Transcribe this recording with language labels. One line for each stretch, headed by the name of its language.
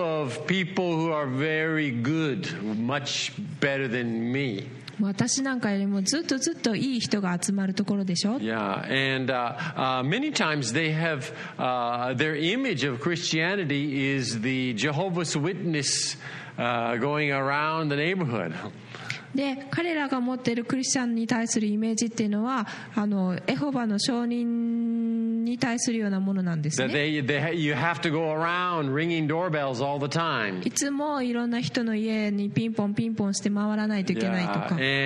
English: of people who are very good, much better than me.
Japanese: 私なんかよりもずっとずっといい人が集まるところでしょ。
English: Yeah, and many times they have their image of Christianity is the Jehovah's Witness going around the neighborhood.
Japanese: で、彼らが持っているクリスチャンに対するイメージっていうのは、エホバの証人に対するようなものなんですね。
English: That they you have to go around ringing doorbells all the time.
Japanese: いつもいろんな人の家にピンポンピンポンして回らないといけないとか。